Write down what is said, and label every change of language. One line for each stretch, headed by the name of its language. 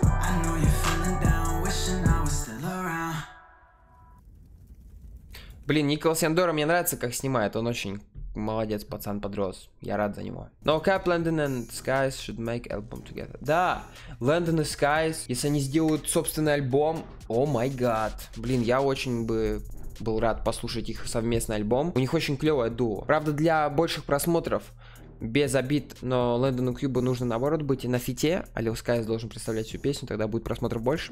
English: I know you're feeling down, wishing I was still around.
Russian: Блин, Николас Яндора, мне нравится, как снимает. Он очень молодец, пацан подрос. Я рад за него.
English: No cap, London and Skies should make album together.
Russian: Да, London и Skies, если они сделают собственный альбом,
English: о май гад.
Russian: Блин, я очень бы... был рад послушать их совместный альбом. У них очень клевое дуо. Правда, для больших просмотров, без обид, но Лэндону Кьюбу нужно наоборот быть и на фите, а Lil Skies должен представлять всю песню, тогда будет просмотров больше.